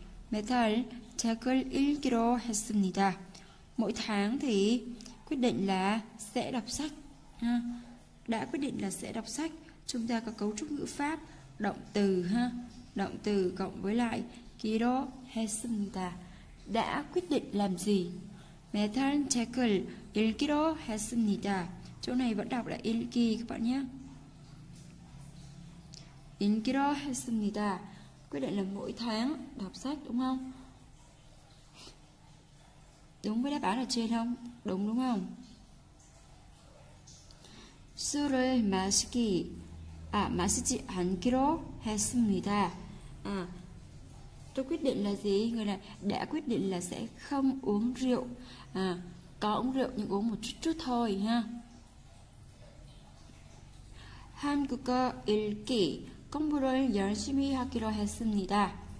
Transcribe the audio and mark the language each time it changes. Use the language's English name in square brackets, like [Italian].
[Korean] 매달 책을 읽기로 했습니다. [Vietnamese] Mỗi tháng thì quyết định là sẽ đọc sách. Đã quyết định là sẽ đọc sách. Chúng ta có cấu trúc ngữ pháp động từ ha, động từ cộng với lại [Korean] 기로 했습니다. [Vietnamese] Đã quyết định làm gì? [Korean] 매달 책을 읽기로 했습니다. [Vietnamese] Chỗ này vẫn đọc là [Korean] 읽기 [Vietnamese] các bạn nhé. [Korean] 읽기로 했습니다. [Vietnamese] Quyết định là mỗi tháng đọc sách đúng không? Đúng với đáp án ở trên không? Đúng không? [Korean] 술을 마시기 마시지 않기로 했습니다. [Vietnamese] Tôi quyết định là gì? Người này đã quyết định là sẽ không uống rượu. Có uống rượu nhưng uống một chút chút thôi ha. [Korean] 한국어 읽기 공부를 열심히 하기로 했습니다.